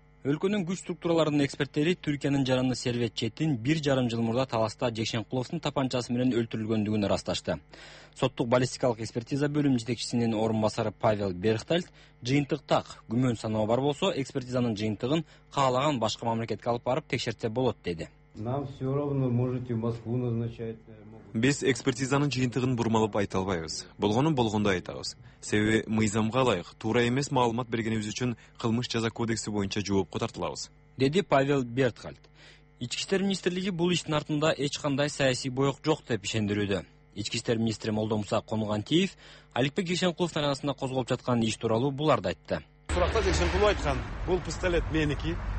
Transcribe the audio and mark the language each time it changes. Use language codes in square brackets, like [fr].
[ky] Өлкөнүн күч структураларынын эксперттери Түркиянын жаранын Сервет Четин 1.5 жыл мурда Таласта Жекшенкуловдун тапанчасы менен өлтүрүлгөндүгүн ырасташты. Соттук баллистикалык экспертиза бөлүм жетекчисинин орун басары Павел Берхтальд жыйынтыктак күмөн саноо бар болсо экспертизанын жыйынтыгын каалаган башка мамлекетке алып барып текшертсе болот деди. [ru] Нам все равно можете в Москву назначать. [ky] Биз экспертизанын жыйынтыгын бурмалап айта албайбыз. Болгонун болгондой айтабыз. Себеби мыйзамга ылайык туура эмес маалымат бергенибиз үчүн кылмыш жаза кодекси боюнча жоопко тартылабыз. Деди Павел Бертхальд. Ички иштер министрлиги бул иштин артында эч кандай саясий боек жок деп ишендирүүдө. Ички иштер министри Молдомуса Конугантиев Аликбек Жекшенкулов арасында козголуп жаткан иш тууралуу буларды айтты. Суракта Жекшенкулов айткан, бул пистолет меники.